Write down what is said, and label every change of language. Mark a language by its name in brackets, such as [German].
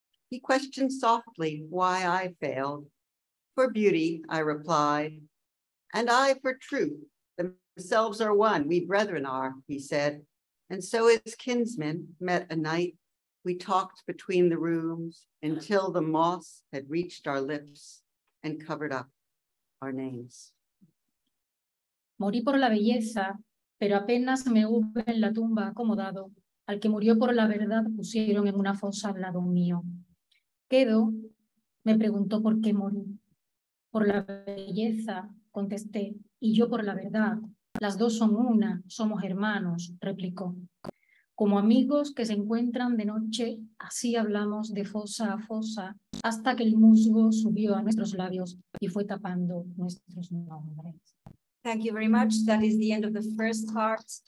[English] He questioned softly why I failed. For beauty, I replied, and I for truth, themselves are one, we brethren are, he said. And so his kinsmen met a night. We talked between the rooms until the moss had reached our lips and covered up our names. [Spanish] Morí por la belleza, pero apenas me hube en la tumba acomodado, al que murió por la verdad pusieron en una fosa al lado mío. Quedo, me preguntó por qué morí. Por la belleza, contesté, y yo por la verdad. Las dos son una, somos hermanos, replicó. Como amigos que se encuentran de noche, así hablamos de fosa a fosa, hasta que el musgo subió a nuestros labios y fue tapando nuestros nombres. [English] Thank you very much. That is the end of the first part.